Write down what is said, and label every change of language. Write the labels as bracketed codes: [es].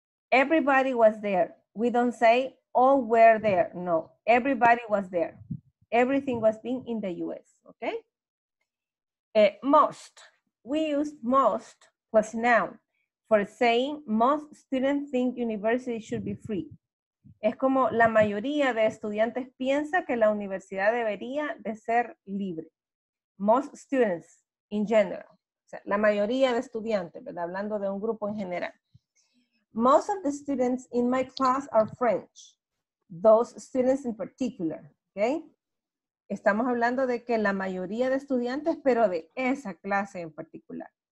[en] Everybody was there. We don't say all were there, no. Everybody was there. Everything was being in the US, okay? Most, we use most plus noun for saying most students think university should be free. [es] Es como la mayoría de estudiantes piensa que la universidad debería de ser libre. [en] Most students in general. [es] O sea, la mayoría de estudiantes, ¿verdad? Hablando de un grupo en general. [en] Most of the students in my class are French. Those students in particular, okay? [es] Estamos hablando de que la mayoría de estudiantes, pero de esa clase en particular.